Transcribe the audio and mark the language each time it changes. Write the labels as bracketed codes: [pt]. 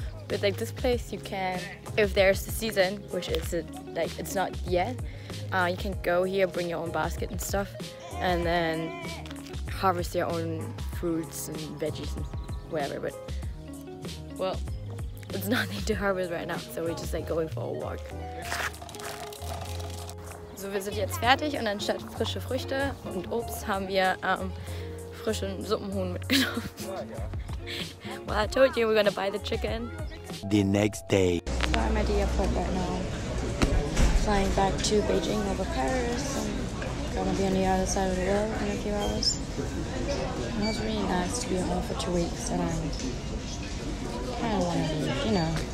[en] But like this place, you can... If there's the season, which is like it's not yet, you can go here, bring your own basket and stuff, and then harvest their own fruits and veggies and whatever, but well, it's nothing to harvest right now, so we're just like going for a walk. [de] So wir sind jetzt fertig und anstatt frische Früchte und Obst haben wir frischen Suppenhuhn mitgenommen. [en] Well, I told you we're gonna buy the chicken. The next day. So I'm at the airport right now, flying back to Beijing over Paris. I'm gonna be on the other side of the world in a few hours. And it was really nice to be home for 2 weeks, and I kind of want to leave, you know.